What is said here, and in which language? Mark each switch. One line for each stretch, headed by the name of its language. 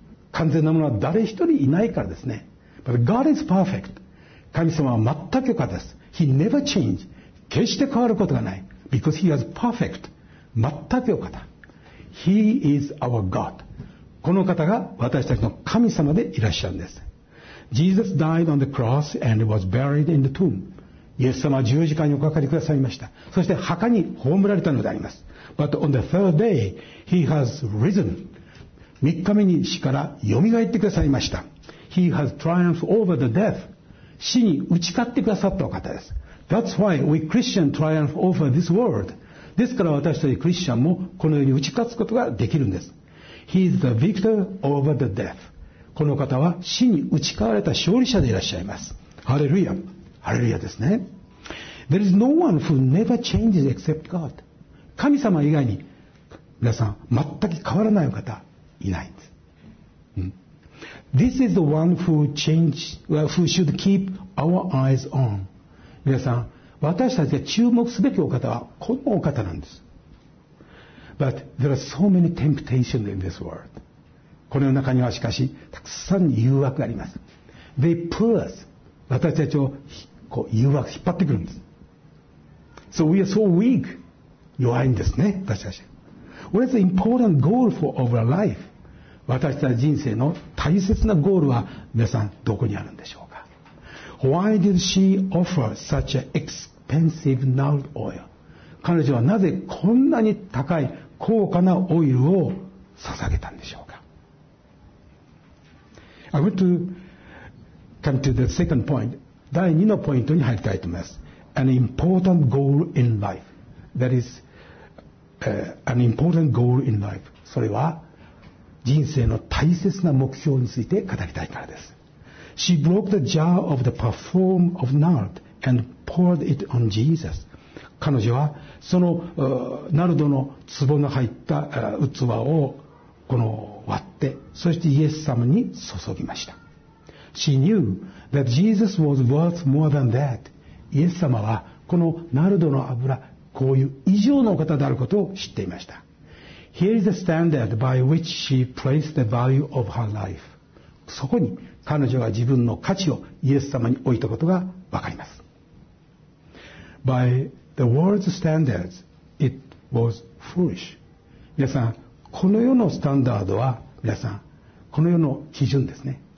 Japanese: 完全なものは誰一人いないからですね。
English: But God is perfect.
Japanese: 神様は全く良です。
English: He never changed.
Japanese: 決して変わることがない。
English: Because he is perfect.
Japanese: 全く良かった。
English: He is our God.
Japanese: この方が私たちの神様でいらっしゃるんです。
English: Jesus died on the cross and was buried in the tomb.
Japanese: イエス様は十字架におかかりくださいました。そして墓に葬られたのであります。
English: But on the third day, he has risen.
Japanese: 三日目に死から蘇ってくださいました。
English: He has triumphed over the death.
Japanese: 死に打ち勝ってくださったお方です。
English: That's why we Christians triumph over this world.
Japanese: ですから私たちクリスチャンもこの世に打ち勝つことができるんです。
English: He is the victor over the death.
Japanese: この方は死に打ち勝われた勝利者でいらっしゃいます。ハレルヤ。ハレルヤですね。
English: There is no one who never changes except God.
Japanese: 神様以外に皆さん全く変わらないお方いないんです。
English: This is the one who change, who should keep our eyes on.
Japanese: 皆さん、私たちが注目すべきお方はこのお方なんです。
English: But there are so many temptations in this world.
Japanese: この世の中にはしかし、たくさん誘惑があります。
English: They pull us.
Japanese: 私たちをこう誘惑引っ張ってくるんです。
English: So we are so weak.
Japanese: 弱いんですね、私たち。
English: What is the important goal for our life?
Japanese: 私たち人生の大切なゴールは皆さんどこにあるんでしょうか。
English: Why did she offer such an expensive nard oil?
Japanese: 彼女はなぜこんなに高い高価なオイルを捧げたんでしょうか。
English: I want to come to the second point.
Japanese: 第2のポイントに入りたいと思います。
English: An important goal in life. That is、an important goal in life.
Japanese: それは人生の大切な目標について語りたいからです。
English: She broke the jar of the perfume of nard and poured it on Jesus.
Japanese: 彼女はそのナルドの壺の入った器をこの割って、そしてイエス様に注ぎました。
English: She knew that Jesus was worth more than that.
Japanese: イエス様はこのナルドの油、こういう以上のお方であることを知っていました。
English: Here is the standard by which she placed the value of her life.
Japanese: そこに彼女が自分の価値をイエス様に置いたことがわかります。
English: By the world's standards, it was foolish.
Japanese: 皆さん、この世のスタンダードは、皆さん、この世の基準ですね。